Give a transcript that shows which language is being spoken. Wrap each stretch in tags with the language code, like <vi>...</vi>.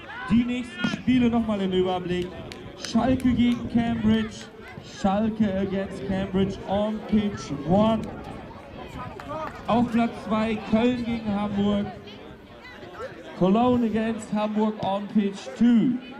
<de>Die nächsten Spiele nochmal im Überblick. Schalke gegen Cambridge.</de> <en>Schalke against Cambridge on Pitch 1.</en> <de>Auf Platz 2 Köln gegen Hamburg.</de> <en>Cologne against Hamburg on Pitch 2.</en>